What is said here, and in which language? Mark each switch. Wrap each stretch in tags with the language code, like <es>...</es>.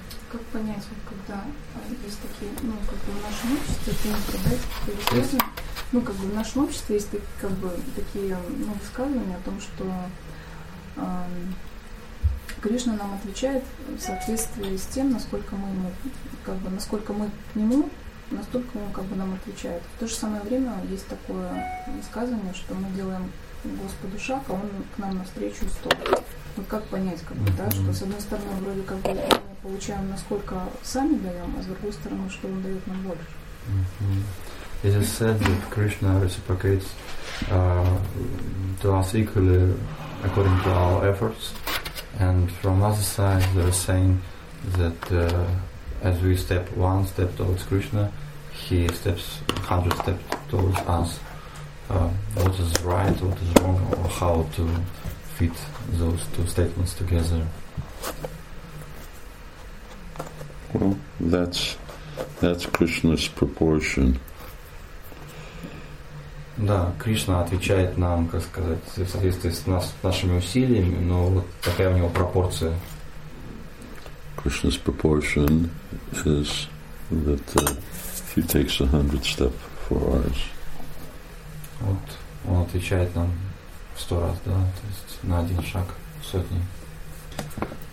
<ru>Как понять, вот когда есть такие, ну, как бы в нашем обществе, это не продается, ну, как бы в нашем обществе есть такие, как бы, такие, ну, высказывания о том, что Кришна нам отвечает в соответствии с тем, насколько мы ему, как бы, насколько мы к нему, настолько он, как бы, нам отвечает. В то же самое время есть такое высказывание, что мы делаем Господу шаг, а он к нам навстречу стоп. Ну, как понять, как бы, да, что с одной стороны вроде как бы мы получаем, насколько сами даем, а с другой стороны, что он дает нам больше.</ru> <en>It is said that Krishna reciprocates to us equally according to our efforts. And from other side, they're saying that as we step one step towards Krishna, he steps 100 steps towards us. What is right, what is wrong, or how to fit those two statements together? Well, that's Krishna's proportion.</en> <ru>Да, Кришна отвечает нам, как сказать, в соответствии с нашими усилиями, но вот такая у него пропорция.</ru> <en>Krishna's proportion is that he takes 100 steps for us.</en> <ru>Вот он отвечает нам в 100 раз, да, то есть на один шаг в сотни.</ru>